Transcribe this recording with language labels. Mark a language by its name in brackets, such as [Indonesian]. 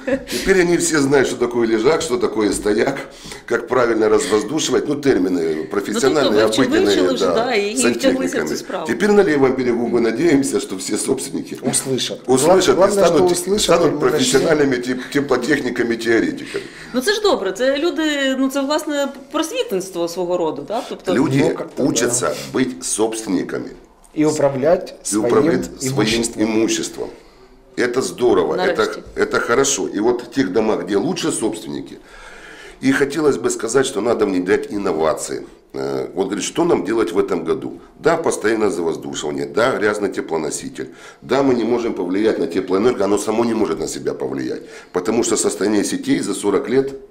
[Russian] Теперь они все знают, что такое лежак, что такое стояк, как правильно развоздушивать, ну термины профессиональные, обыденные, да, сантехниками. Теперь на левом берегу мы надеемся, что все собственники услышат и станут профессиональными теплотехниками-теоретиками. [Ukrainian] Ну це ж добре, це люди, ну це власне просвітництво свого роду, да? [Russian] Тобто, люди учаться быть собственниками. И управлять своим имуществом. Это здорово, это хорошо. И вот в тех домах, где лучше собственники, и хотелось бы сказать, что надо внедрять инновации. Вот говорит, что нам делать в этом году? Да, постоянно завоздушивание, да, грязный теплоноситель, да, мы не можем повлиять на теплоэнерго, оно само не может на себя повлиять, потому что состояние сетей за 40 лет...